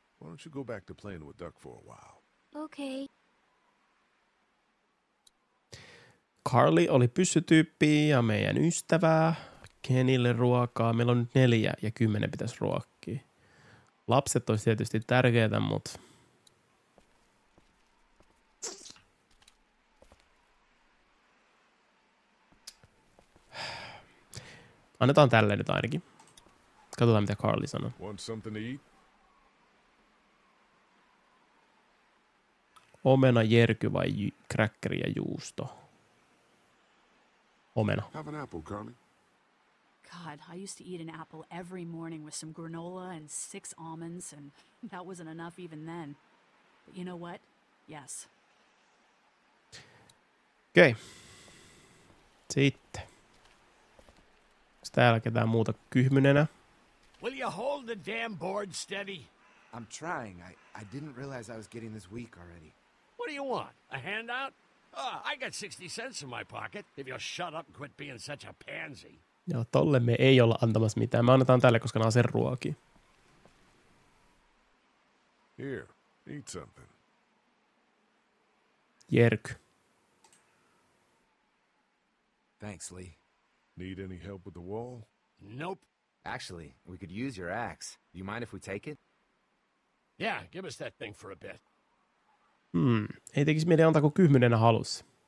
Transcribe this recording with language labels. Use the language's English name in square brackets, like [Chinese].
[English] Why don't you go back to playing with Duck for a while? Okay. [Finnish] Carly oli pyssytyyppi ja meidän ystävää. Kenille ruokaa. Meillä on nyt 4 ja 10 pitäisi ruokkia. Lapset olisi tietysti tärkeitä, mutta... Annetaan tälle nyt ainakin. Katsotaan, mitä Carly sanoi. Omena, jerky vai kräkkeri ja juusto? omena. [English] Have an apple, Carly. God, I used to eat an apple every morning with some granola and 6 almonds, and that wasn't enough even then. But you know what? Yes. [Finnish] Okei. Sitten. Onks täällä ketään muuta kyhmynenä? [English] Will you hold the damn board steady? I'm trying. I didn't realize I was getting this weak already. What do you want? A handout? Oh, I got 60 cents in my pocket, if you'll shut up and quit being such a pansy. [Finnish] Joo, tolle me ei olla antamassa mitään. Me annetaan tälle, koska nää on sen ruoki. [English] Here, eat something. Jerk. Thanks, Lee. Need any help with the wall? Nope. Actually, we could use your axe. Do you mind if we take it? Yeah, give us that thing for a bit. [Finnish] Hmm, ei tekisi mieleen antaa kuin kymmenenä halus.